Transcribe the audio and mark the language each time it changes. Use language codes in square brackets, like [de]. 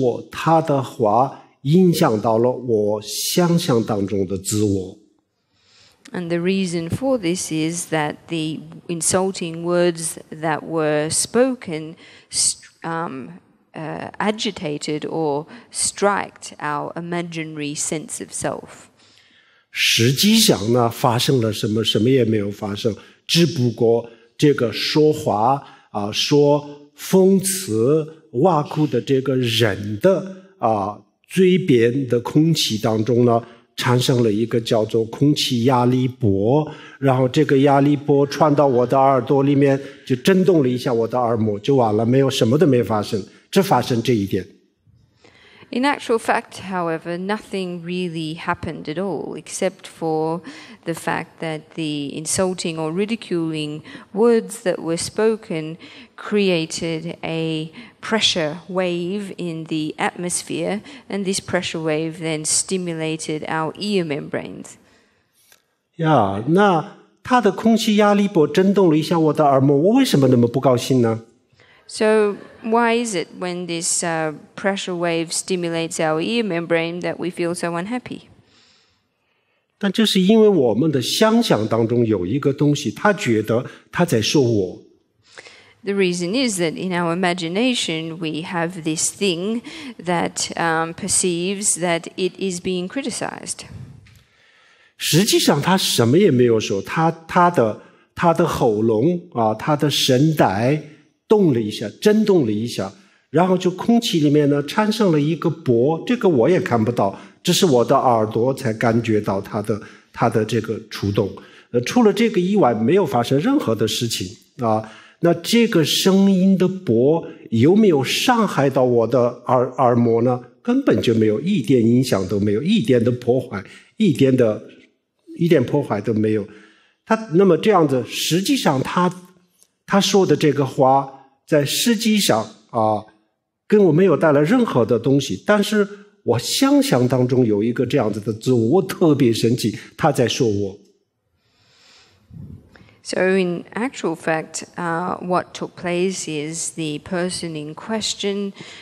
[zh] 他的话影响到了我想象当中的自我。 [en] And the reason for this is that the insulting words that were spoken agitated or striked our imaginary sense of self. [zh] 实际上呢，发生了什么？什么也没有发生，只不过这个说话啊，说讽刺、挖苦的这个人的啊，嘴边的空气当中呢，产生了一个叫做空气压力波，然后这个压力波传到我的耳朵里面，就震动了一下我的耳膜，就完了，没有什么都没发生，只发生这一点。 [en] In actual fact, however, nothing really happened at all, except for the fact that the insulting or ridiculing words that were spoken created a pressure wave in the atmosphere, and this pressure wave then stimulated our ear membranes. [zh] Yeah, 那他的空气压力波震动了一下我的耳膜，我为什么那么不高兴呢？ [en] So why is it when this pressure wave stimulates our ear membrane that we feel so unhappy? [zh] 但就是因为我们的想象当中有一个东西，他觉得他在说我。 [en] The reason is that in our imagination we have this thing that perceives that it is being criticized. [zh] 实际上他什么也没有说，他的喉咙啊，他的声带。动了一下，震动了一下，然后就空气里面呢产生了一个波，这个我也看不到，只是我的耳朵才感觉到它的这个触动。除了这个以外，没有发生任何的事情啊。那这个声音的波有没有伤害到我的耳膜呢？根本就没有，一点影响都没有，一点破坏都没有。那么这样子，实际上他说的这个话在实际上啊，跟我没有带来任何的东西，但是我想象当中有一个这样子的自我，我特别生气，他在说我。 [en] So in actual fact, what took place is the person in question